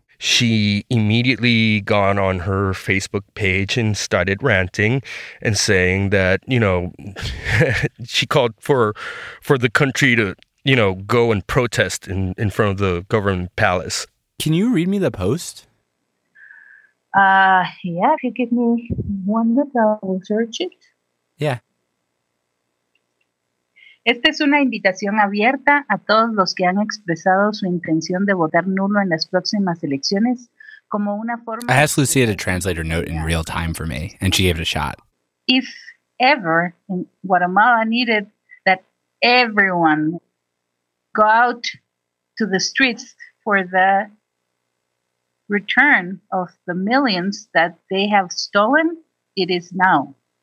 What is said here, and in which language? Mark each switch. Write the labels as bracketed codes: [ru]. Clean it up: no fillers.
[en] She immediately gone on her Facebook page and started ranting and saying that, you know, she called for the country to, you know, go and protest in front of the government palace. Can you read me the post? Yeah, if you give me one minute, I will search it. Yeah. [es] Esta es una invitación abierta a todos los que han expresado su intención de votar nulo en las próximas elecciones como una forma. [en] I asked Lucia to translate her note in real time for me, and she gave it a shot. If ever in Guatemala needed that everyone go out to the streets for the return of the millions that they have stolen, it is now.